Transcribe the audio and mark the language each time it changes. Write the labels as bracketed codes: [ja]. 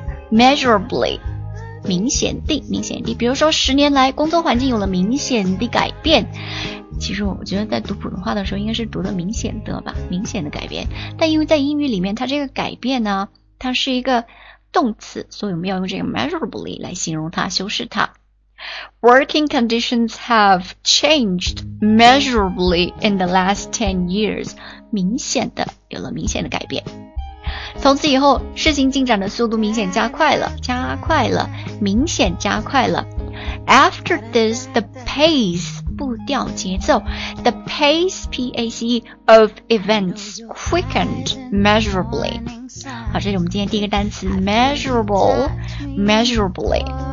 [zh] measurably 明显地，明显地，比如说十年来工作环境有了明显的改变。其实我觉得在读普通话的时候应该是读的明显的吧，明显的改变，但因为在英语里面它这个改变呢，它是一个动词，所以我们要用这个 measurably 来形容它，修饰它。 [en] Working conditions have changed measurably in the last 10 years. [zh] 明显的，有了明显的改变。从此以后，事情进展的速度明显加快了，加快了，明显加快了。 [en] After this, the pace, [zh] 步调节奏， [en] the pace, P-A-C-E, of events quickened measurably. [zh] 好，这是我们今天第一个单词 measurable, measurably。